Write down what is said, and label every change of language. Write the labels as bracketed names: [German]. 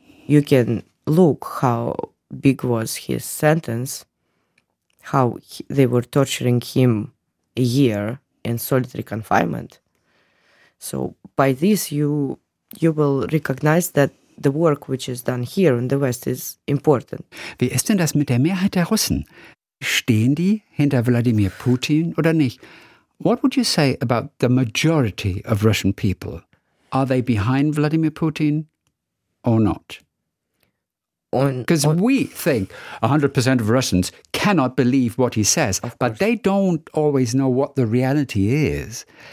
[English] You can look how big was his sentence, how they were torturing him a year in solitary confinement. So by this, you will recognize that the work which is done here in the West is important. [German] Wie ist denn das mit der Mehrheit der Russen? Stehen die hinter Wladimir Putin oder nicht? [English] What would you say about the majority of Russian people? Are they behind Vladimir Putin or not? Because we think 100% of Russians cannot believe what he says, but they don't always know what the reality is.